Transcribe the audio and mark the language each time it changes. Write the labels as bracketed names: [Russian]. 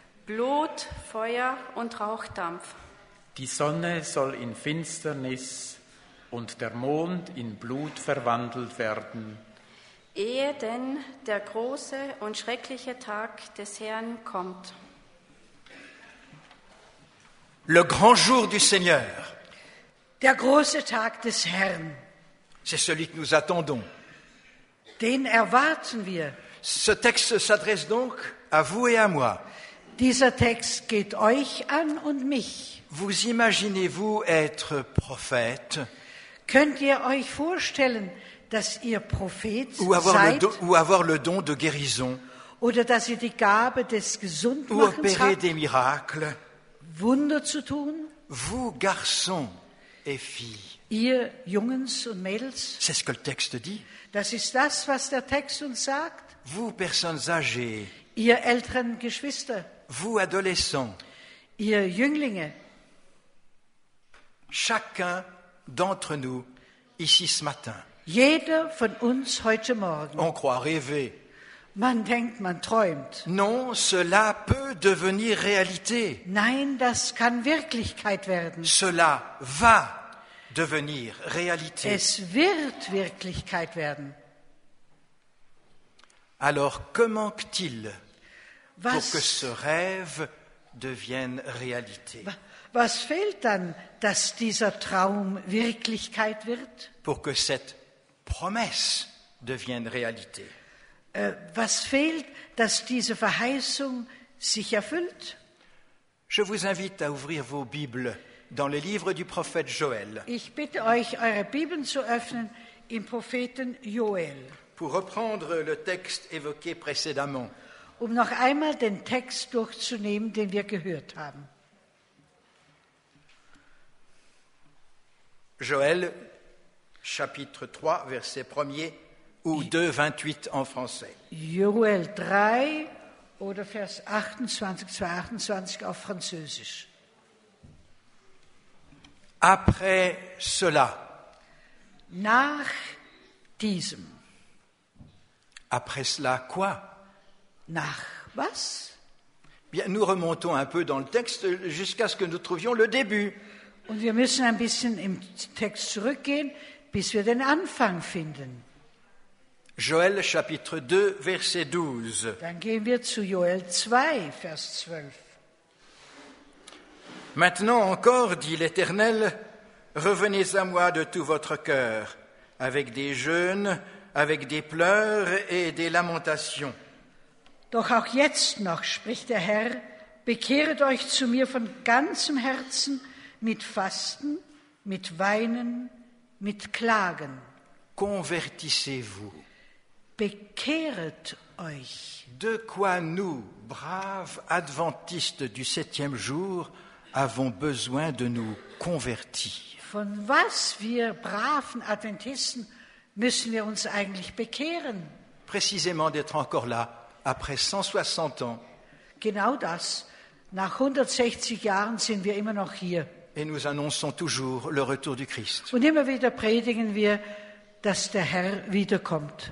[German] Blut, Feuer und Rauchdampf. Die Sonne soll in Finsternis und der Mond in Blut verwandelt werden. Ehe denn der große und schreckliche Tag des Herrn kommt. [French] Le grand jour du Seigneur. [German] Der große Tag des Herrn. [French] C'est celui que nous attendons. [German] Den erwarten wir. [French] Ce texte s'adresse donc à vous et à moi. [German] Dieser Text geht euch an und mich. [French] Vous imaginez-vous être prophète? [German] Könnt ihr euch vorstellen, dass ihr Prophet [French] ou avoir [German] seid? [French] Ou avoir le don de guérison? [German] Oder dass ihr die Gabe des Gesundmachens habt? [French] Ou opérer des miracles? [German] Wunder zu tun? [French] Vous, garçons et filles. [German] Ihr Jungs und Mädels. [French] C'est ce que le texte dit. [German] Das ist das, was der Text uns sagt. [French] Vous, personnes âgées. [German] Ihr älteren Geschwister. [French] Vous, adolescents. [German] Ihr Jünglinge. [French] Chacun d'entre nous ici ce matin. [German] Jeder von uns heute Morgen. [French] On croit rêver. [German] Man denkt, man träumt. [French] Non, cela peut devenir réalité. [German] Nein, das kann Wirklichkeit werden. [French] Cela va devenir réalité. [German] Es wird Wirklichkeit werden. [French] Alors, que manque-t-il pour que ce rêve devienne réalité? [German] Was fehlt dann, dass dieser Traum Wirklichkeit wird? [French] Pour que cette promesse devienne réalité. [German] Was fehlt, dass diese Verheißung sich erfüllt? [French] Je vous invite à ouvrir vos Bibles dans le livre du prophète Joël. [German] Ich bitte euch, eure Bibeln zu öffnen im Propheten Joël. [French] Pour reprendre le texte évoqué précédemment. [German] Um noch einmal den Text durchzunehmen, den wir gehört haben. [French] Joël, chapitre 3, verset 1er, ou 2, 28 en français. [German] Joël 3, oder vers 28, 228 auf Französisch. [French] Après cela. [German] Nach diesem. [French] Après cela quoi? [German] Nach was? [French] Bien, nous remontons un peu dans le texte jusqu'à ce que nous trouvions le début. [German] Und wir müssen ein bisschen im Text zurückgehen, bis wir den Anfang finden. [French] Joël chapitre 2 verset 12. [German] Dann gehen wir zu Joël 2 vers 12. [French] Maintenant encore dit l'Éternel, revenez à moi de tout votre cœur, avec des jeûnes, avec des pleurs et des lamentations. [German] Doch auch jetzt noch spricht der Herr, bekehret euch zu mir von ganzem Herzen mit Fasten, mit Weinen, mit Klagen. [French] Convertissez-vous. [German] Bekehret euch. [French] De quoi nous, braves adventistes du septième jour, avons besoin de nous convertir? [German] Von was wir braven Adventisten müssen wir uns eigentlich bekehren? [French] Précisément d'être encore là après 160 ans. [German] Genau das. Nach 160 Jahren sind wir immer noch hier. [French] Et nous annonçons toujours le retour du Christ. [German] Und immer wieder predigen wir, dass der Herr wiederkommt.